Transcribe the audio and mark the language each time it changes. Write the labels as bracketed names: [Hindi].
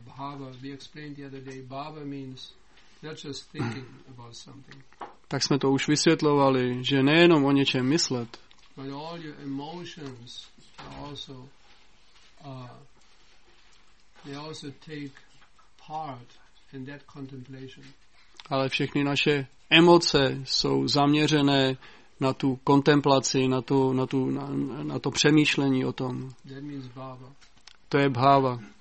[English] Bhava, we explained the other day, bhava means not just thinking about something. [Czech] Tak jsme to už vysvětlovali, že nejenom o něčem myslet. [English] But all your emotions also they also take part in that contemplation. [Czech] Ale všechny naše emoce jsou zaměřené na tu kontemplaci, na to přemýšlení o tom. To je bhava.